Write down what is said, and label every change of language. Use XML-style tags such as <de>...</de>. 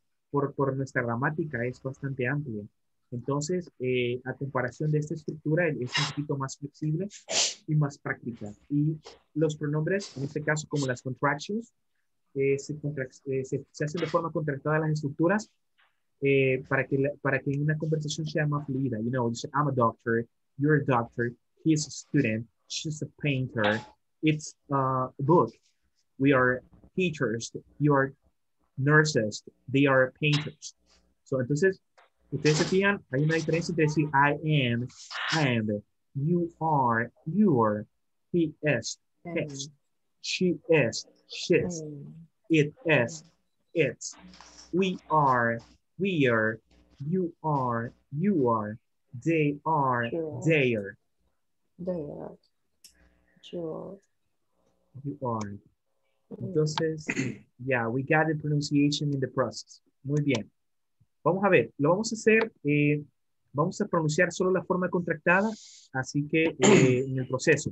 <es>Por nuestra gramática es bastante amplia. Entonces, a comparación de esta estructura, es un poquito más flexible y más práctica. Y los pronombres, en este caso como las contractions, se hacen de forma contractada las estructuras para que en una conversación sea más fluida.</es> <en>You know, you say, I'm a doctor, you're a doctor, he's a student, she's a painter, it's a book, we are teachers, you are nurses, they are painters. So,</en> <es>entonces, ustedes se fijan, hay una diferencia entre decir</es> <en>I am, and, you are, you're, he is, it's, she is, she's, it is, it's, we are, you are, they are, they're. They are. You are. Entonces, yeah, we got the pronunciation in the process.</en> <es>Muy bien. Vamos a ver, lo vamos a hacer, vamos a pronunciar solo la forma contractada, así que en el proceso.</es>